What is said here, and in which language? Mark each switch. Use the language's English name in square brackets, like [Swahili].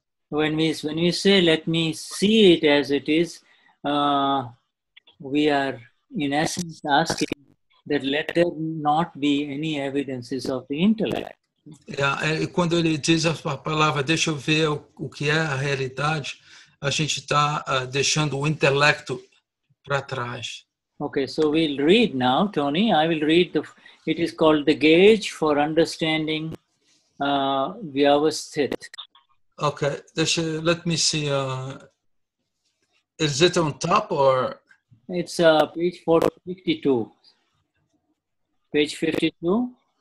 [English] When we say, let me see it as it is, we are, in essence, asking that let there not be any evidences of the intellect. [Portuguese] Yeah, e quando ele diz a palavra, deixa eu ver o que é a realidade, a gente está deixando o intelecto para trás. [English] Okay, so we'll read now, Tony. I will read the... It is called the gauge for understanding Vyavasthita. Okay, let me see. Is it on top or? It's page 452. Page 52.